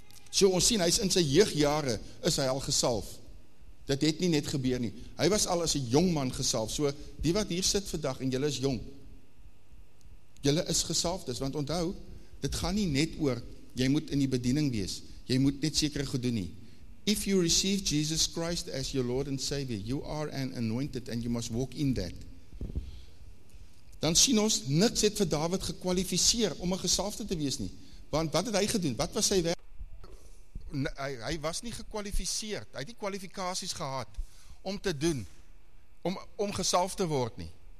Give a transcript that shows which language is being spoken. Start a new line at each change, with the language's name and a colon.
Afrikaans: So ons sien, hy's in sy jeugjare is hy al gesalf. Dit het nie net gebeur nie. Hy was al as 'n jong man gesalf. So die wat hier sit vandag en julle is jong, julle is gesalf, dis want onthou, dit gaan nie net oor jy moet in die bediening wees. Jy moet net sekere goed doen nie.
English: If you receive Jesus Christ as your Lord and Savior, you are an anointed and you must walk in that.
Afrikaans: Dan sien ons, niks het vir David gekwalifiseer om 'n gesalfde te wees nie. Want wat het hy gedoen? Wat was sy werk? Hy was nie gekwalifiseer. Hy het nie kwalifikasies gehad om te doen, om gesalfde te word nie.